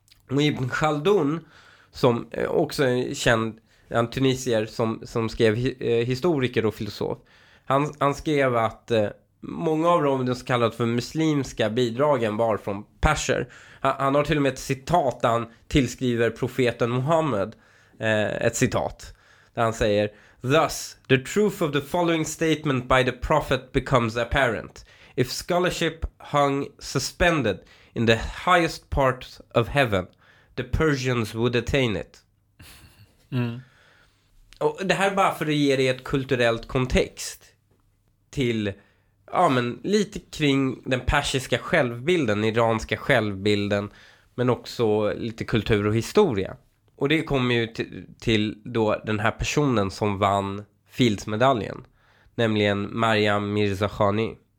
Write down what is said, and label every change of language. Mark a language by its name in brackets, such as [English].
[Swedish] Och Ibn Khaldun, som också är känd, en tunisier som skrev historiker och filosof. Han skrev att många av de så kallade för muslimska bidragen var från perser. Han har till och med ett citat där han tillskriver profeten Muhammed ett citat. Där han säger: [English] "Thus, the truth of the following statement by the prophet becomes apparent. If scholarship hung suspended in the highest part of heaven, the Persians would attain it." Mm. [Swedish] Och det här bara för att ge dig ett kulturellt kontext till... Ja, men lite kring den persiska självbilden, iranska självbilden, men också lite kultur och historia. Och det kommer ju till då den här personen som vann Fields-medaljen, nämligen Maryam Mirzakhani.